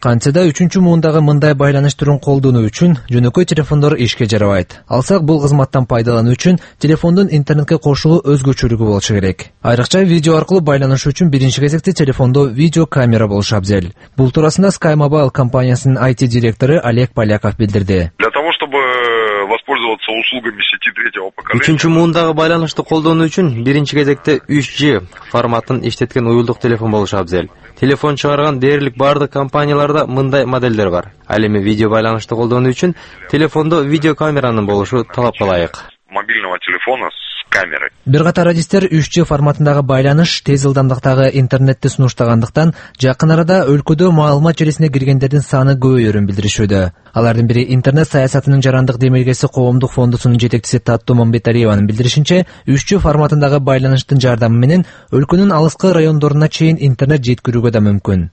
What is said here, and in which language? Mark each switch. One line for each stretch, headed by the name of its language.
Kyrgyz: Кантсе да 3-чү муундагы мындай байланыш түрүн колдонуу үчүн жөнөкөй телефондор ишке жарабайт. Алсак, бул кызматтан пайдалануу үчүн телефондун интернетке кошулуу өзгөчөлүгү болушу керек. Айрыкча видео аркылуу байланышуу үчүн биринчи кезекте телефондо видео камера болушу абзел. Бул туурасында Sky Mobile компаниясынын IT директору Олег Поляков билдирди.
Russian: Для того, чтобы воспользоваться услугами сети третьего поколения.
Kyrgyz: 3-чү муундагы байланышты колдонуу үчүн биринчи кезекте 3G форматын иштеткен уюлдук телефон болушу абзел. Телефон чыгарган дээрлик бардык компанияларда мындай моделдер бар. Ал эми видео байланышты колдонуу үчүн телефондо видео камеранын болушу талап ылайык.
Russian: Мобильного телефона с камерой.
Kyrgyz: Бир катар радистер 3G форматындагы байланыш тез ылдамдыктагы интернетти сунуштагандыктан жакын арада өлкөдө маалымат желесине киргендердин саны көбөйөрүн билдиришүүдө. Алардын бири интернет саясатынын жарандык демилгеси коомдук фондусунун жетекчиси Таттуу Мамбетариеванын билдиришинче, 3G форматындагы байланыштын жардамы менен өлкөнүн алыскы райондоруна чейин интернет жеткирүүгө да мүмкүн.